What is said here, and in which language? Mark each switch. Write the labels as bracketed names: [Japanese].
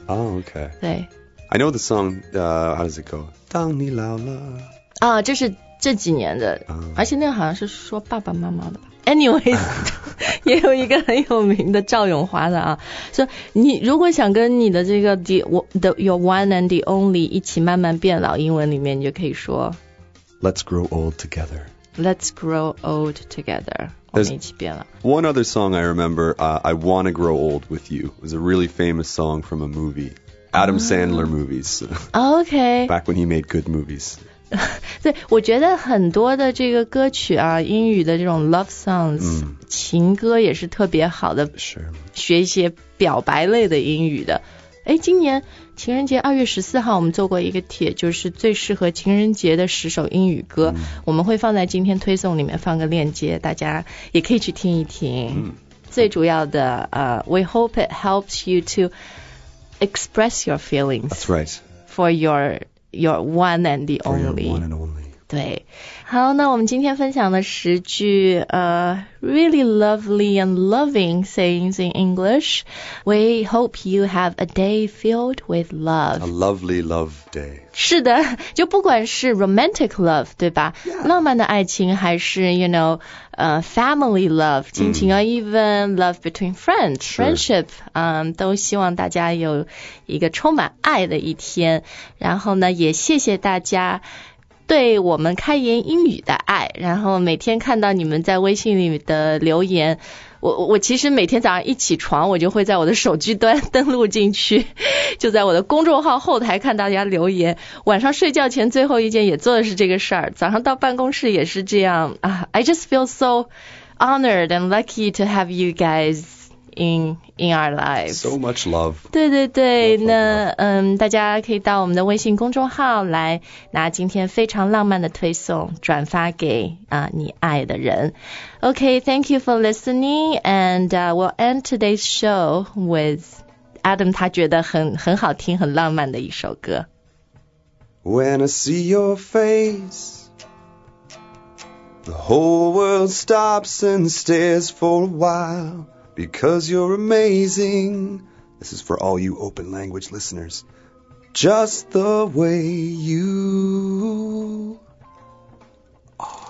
[Chinese] 哦 ，okay。对。 [English] I know the song. How does it go? [Chinese] 当你老了。啊，这是这几年的， 而且那个好像是说爸爸妈妈的吧。 [English] Anyways， [Chinese] 也有一个很有名的赵永华的啊，说你如果想跟你的这个 [English] the your one and the only [Chinese] 一起慢慢变老，英文里面你就可以说 [English] ，Let's grow old together. Let's grow old together. 我们一起变老。 One other song I remember,I want to grow old with you. It was a really famous song from a movie, Adam Sandler movies. Okay. Back when he made good movies. [Chinese] 对，我觉得很多的这个歌曲啊，英语的这种 [English] love songs， [Chinese] 情歌也是特别好的，是学一些表白类的英语的。哎，今年情人节2月14号，我们做过一个帖，就是最适合情人节的十首英语歌，我们会放在今天推送里面放个链接，大家也可以去听一听。最主要的 [English] we hope it helps you to express your feelings. That's right. For your. You're one and the only. For your one and only. [Chinese] 对，好，那我们今天分享的十句 [English] really lovely and loving sayings in English. We hope you have a day filled with love. A lovely love day. [Chinese] 是的，就不管是 [English] romantic love, [Chinese] 对吧？ [English] Yeah. [Chinese] 浪漫的爱情，还是 [English] you know, family love, [Chinese] 亲情啊， [English] even love between friends, friendship, [Chinese] 都希望大家有一个充满爱的一天。然后呢，也谢谢大家。对我们开言英语的爱，然后每天看到你们在微信里的留言，我其实每天早上一起床，我就会在我的手机端登录进去，就在我的公众号后台看大家留言。晚上睡觉前最后一件也做的是这个事儿，早上到办公室也是这样啊。 [English] I just feel so honored and lucky to have you guys in our lives. So much love. [Chinese] 对对对，那大家可以到我们的微信公众号来拿今天非常浪漫的推送，转发给你爱的人。 [English] Okay, thank you for listening, and we'll end today's show with Adam. [Chinese] 他觉得很好听、很浪漫的一首歌。 [English] When I see your face. The whole world stops and stares for a while because you're amazing. This is for all you open language listeners. Just the way you are.